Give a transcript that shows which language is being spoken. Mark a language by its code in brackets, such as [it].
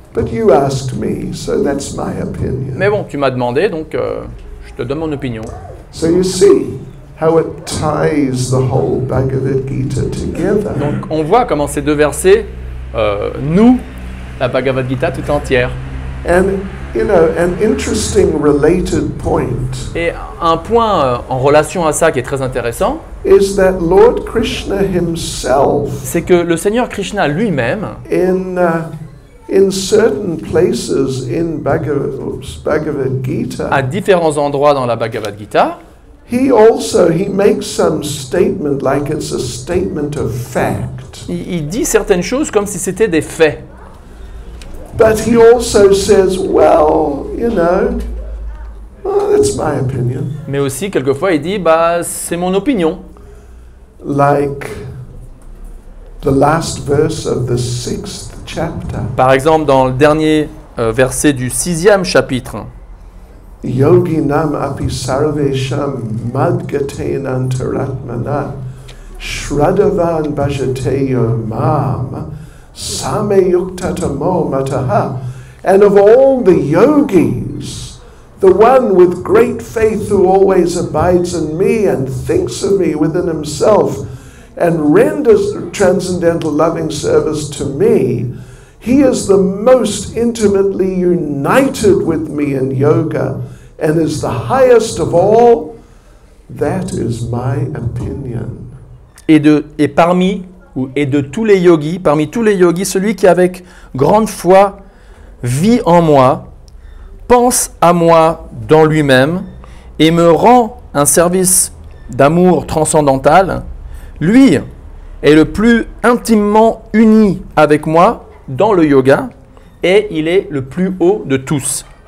[en] But you asked me, so that's my opinion. [fr] Mais bon, tu m'as demandé, donc je te donne mon opinion. [en] So you see how it ties the whole Bhagavad Gita together. [fr] Donc, on voit comment ces deux versets nous la Bhagavad Gita tout entière. [en] And, you know, an interesting related point. [fr] Et un point en relation à ça qui est très intéressant, [en] is that Lord Krishna himself, [fr] c'est que le Seigneur Krishna lui-même, [en] in certain places in Bhagavad Gita, [fr] à différents endroits dans la Bhagavad Gita, [en] he makes some statement like it's a statement of fact. [fr] Il dit certaines choses comme si c'était des faits. [en] But he also says, well, you know, that's my opinion. [fr] Mais aussi quelquefois il dit c'est mon opinion. [en] Like the last verse of the sixth chapter. [fr] Par exemple dans le dernier verset du sixième chapitre. [sa] Yoginam api sarvesham madgate antaratmana shradavan bhajate yomam. Same yukta tamo mataha. [en] And of all the yogis, the one with great faith who always abides in me and thinks of me within himself and renders transcendental loving service to me, he is the most intimately united with me in yoga and is the highest of all. That is my opinion. [fr] Et de tous les yogis, parmi tous les yogis, celui qui avec grande foi vit en moi, pense à moi dans lui-même et me rend un service d'amour transcendantal, lui est le plus intimement uni avec moi dans le yoga et il est le plus haut de tous.